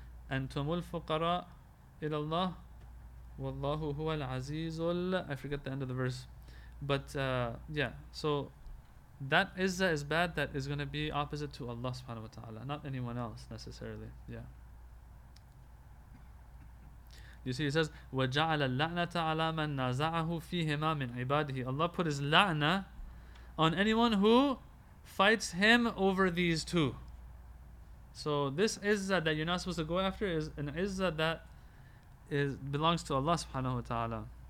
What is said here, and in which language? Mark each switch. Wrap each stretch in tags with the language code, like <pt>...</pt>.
<ar>And tumul fuqara ilallah. Wallahu huwa al-azizul.</ar> <en>I forget the end of the verse. But so that izzah is bad, that is going to be opposite to Allah subhanahu wa ta'ala, not anyone else necessarily. Yeah. You see, he says,</en> <ar>وَجَعَلَ اللَّعْنَةَ عَلَى مَنْ نَازَعَهُ فِيهِمَا مِنْ عِبَادِهِ.</ar> <en>Allah put his la'na on anyone who fights him over these two. So this izzah that you're not supposed to go after is an izzah that belongs to Allah subhanahu wa ta'ala.</en>